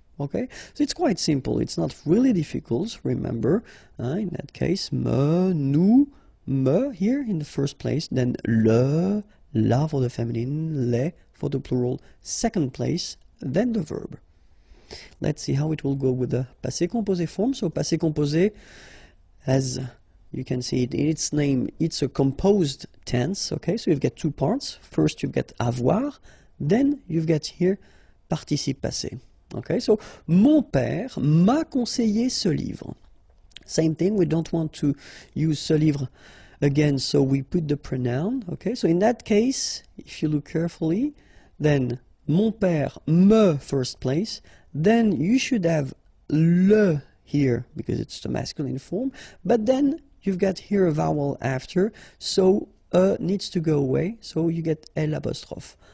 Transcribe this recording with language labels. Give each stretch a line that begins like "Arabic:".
English: Okay, so it's quite simple, it's not really difficult, remember, in that case, me, nous, me here in the first place, then le, la for the feminine, les for the plural, second place, then the verb. Let's see how it will go with the passé composé form. So passé composé, as you can see it in its name, it's a composed tense. Okay, so you've got two parts. First you've got avoir, then you've got here participe passé. Okay, so
French: mon père m'a conseillé ce livre.
English: Same thing, we don't want to use ce livre again, so we put the pronoun. Okay, so in that case, if you look carefully, then mon père me first place, then you should have le here because it's the masculine form, but then you've got here a vowel after, so needs to go away, so you get l apostrophe.